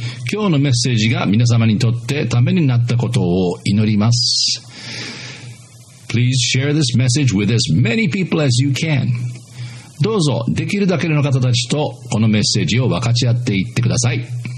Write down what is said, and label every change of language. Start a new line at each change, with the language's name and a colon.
Japanese: 今日のメッセージが皆様にとってためになったことを祈ります。
English: Please share this message with as many people as you can.
Japanese: どうぞできるだけの方たちとこのメッセージを分かち合っていってください。